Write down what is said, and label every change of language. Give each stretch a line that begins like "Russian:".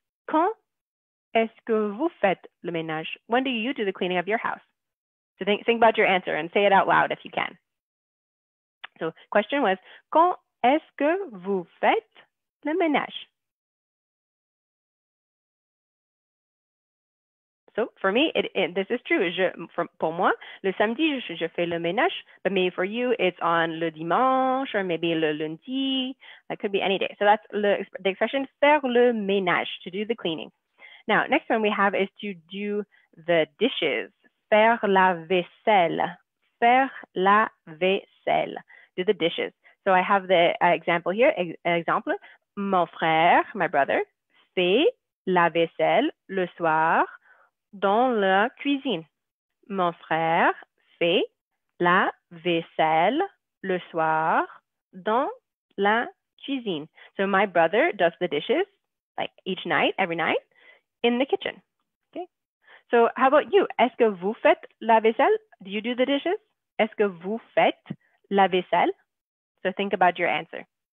French: Quand est-ce que vous faites le ménage?
English: When do you do the cleaning of your house? So think about your answer and say it out loud if you can. So question was,
French: quand est-ce que vous faites le ménage?
English: So for me, this is true.
French: Pour moi, le samedi, je fais le ménage.
English: But maybe for you, it's on le dimanche or maybe le lundi. That could be any day. So that's the expression faire le ménage, to do the cleaning. Now, next one we have is to do the dishes.
French: Faire la vaisselle. Faire la vaisselle.
English: Do the dishes. So I have the example here. Example.
French: Mon frère,
English: my brother,
French: fait la vaisselle le soir dans la cuisine. Mon frère fait la vaisselle le soir dans la cuisine.
English: So my brother does the dishes like each night, every night, in the kitchen, okay? So how about you?
French: Est-ce que vous faites la vaisselle?
English: Do you do the dishes?
French: Est-ce que vous faites la vaisselle?
English: So think about your answer.